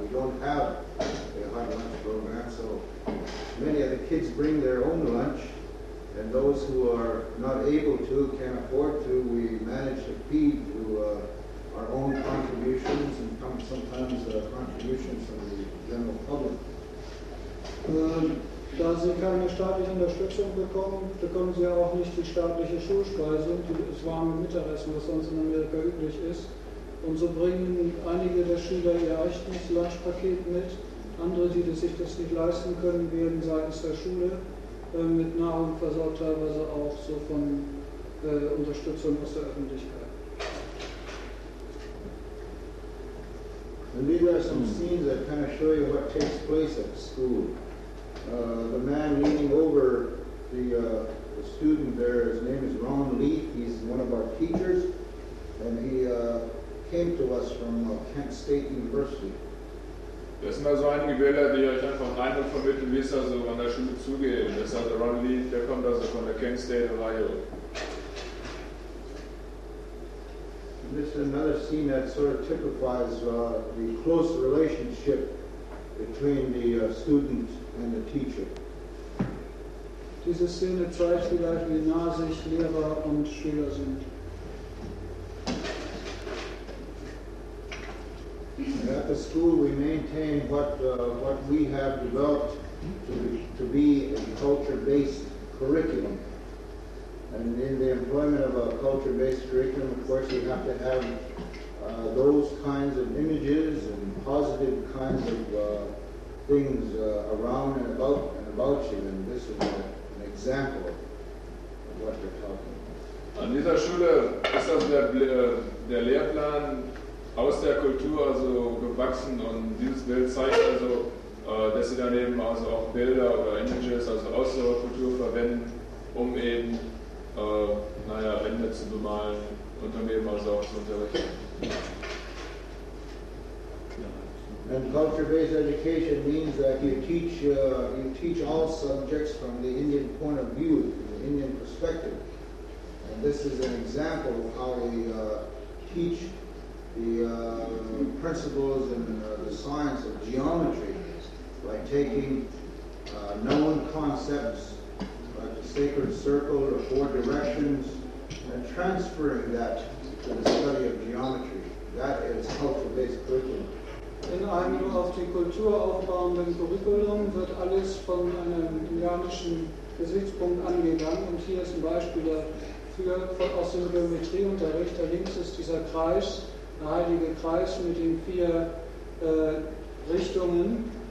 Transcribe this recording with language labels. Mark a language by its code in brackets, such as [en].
[en] We don't have a hot lunch program, so many of the kids bring their own lunch. And those who are not able to, can't afford to, we manage to feed through our own contributions and sometimes contributions from the general public. [de] Da sie keine staatliche Unterstützung bekommen, bekommen sie auch nicht die staatliche Schulspeise, das warme Mittagessen, was sonst in Amerika üblich ist. Und so bringen einige der Schüler ihr eigenes Lunchpaket mit. Andere, die sich das nicht leisten können, werden seitens der Schule mit Nahrung versorgt, teilweise auch so von Unterstützung aus der Öffentlichkeit. [en] And these are some scenes that kind of show you what takes place at school. The man leaning over the student there, his name is Ron Leaf. He's one of our teachers, and he came to us from Kent State University. [de] Das sind also einige Bilder, die euch einfach rein und vermitteln, wie es also an der Schule zugeht. Das ist also Ron Lee, der kommt also von der Kent State, Ohio. [en] And this is another scene that sort of typifies the close relationship between the student and the teacher. [de] Diese Szene zeigt vielleicht, wie nah sich Lehrer und Schüler sind. [en] At the school, we maintain what we have developed to be a culture-based curriculum. And in the employment of a culture-based curriculum, of course, you have to have those kinds of images and positive kinds of things around and about you. And this is an example of what we're talking about. [de] An dieser Schule ist das der Lehrplan aus der Kultur also gewachsen, und dieses Bild zeigt also, dass sie daneben also auch Bilder oder Images also aus der Kultur verwenden, um eben, Wände zu bemalen und daneben also auch zu unterrichten. [en] And culture-based education means that you teach all subjects from the Indian point of view, the Indian perspective. And this is an example of how we teach the principles and the science of geometry by taking known concepts like the sacred circle or four directions and transferring that to the study of geometry. That is culture-based curriculum. [de] In einem auf die Kultur aufbauenden Curriculum wird alles von einem geometrischen Gesichtspunkt angegangen, und hier ist ein Beispiel dafür aus dem Geometrieunterricht. Da links ist dieser Kreis, der heilige Kreis mit den vier Richtungen.